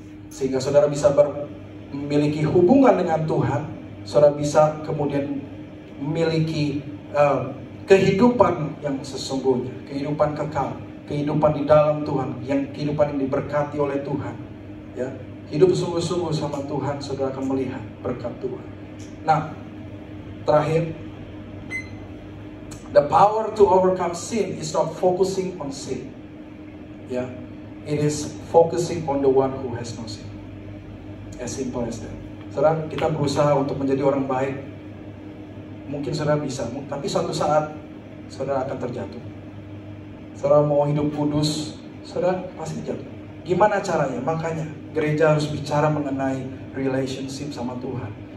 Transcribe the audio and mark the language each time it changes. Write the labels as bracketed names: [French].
[Indonesian] Sehingga saudara bisa memiliki hubungan dengan Tuhan, saudara bisa kemudian memiliki kehidupan yang sesungguhnya, kehidupan kekal, kehidupan di dalam Tuhan, yang kehidupan yang diberkati oleh Tuhan. Ya, hidup sungguh-sungguh sama Tuhan, saudara akan melihat berkat Tuhan. Nah, terakhir, [English] the power to overcome sin is not focusing on sin. Ya, it is focusing on the one who has no sin. As simple as that. [Indonesian] Saudara, kita berusaha untuk menjadi orang baik. Mungkin saudara bisa, tapi suatu saat saudara akan terjatuh. Saudara mau hidup kudus, saudara pasti jatuh. Gimana caranya? Makanya gereja harus bicara mengenai relationship sama Tuhan.